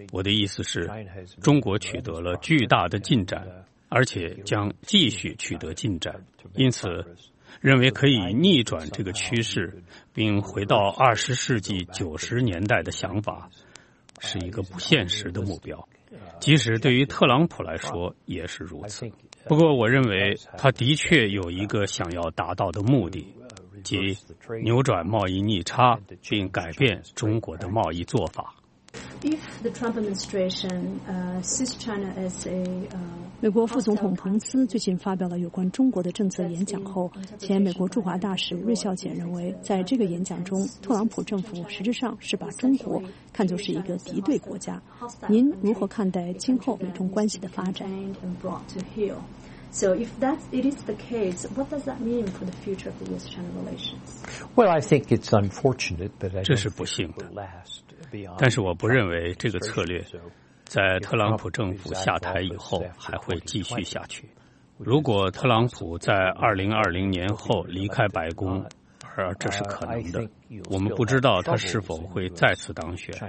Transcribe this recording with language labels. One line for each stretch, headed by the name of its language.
Chinese: 我的意思是，中国取得了巨大的进展，而且将继续取得进展，因此认为可以逆转这个趋势，并回到20世纪90年代的想法，是一个不现实的目标。即使对于特朗普来说也是如此。不过我认为他的确有一个想要达到的目的，即扭转贸易逆差并改变中国的贸易做法。
English: If the Trump administration sees China as a
Chinese: 美国副总统彭斯最近发表了有关中国的政策演讲后，前美国驻华大使瑞孝俭认为，在这个演讲中，特朗普政府实质上是把中国看作是一个敌对国家。您如何看待今后美中关系的发展？
English: So if that it is the case, what does that mean for the future of U.S.-China relations? Well, I think it's unfortunate, but
Chinese: 这是不幸的。但是我不认为这个策略在特朗普政府下台以后还会继续下去。如果特朗普在2020年后离开白宫，而这是可能的，我们不知道他是否会再次当选。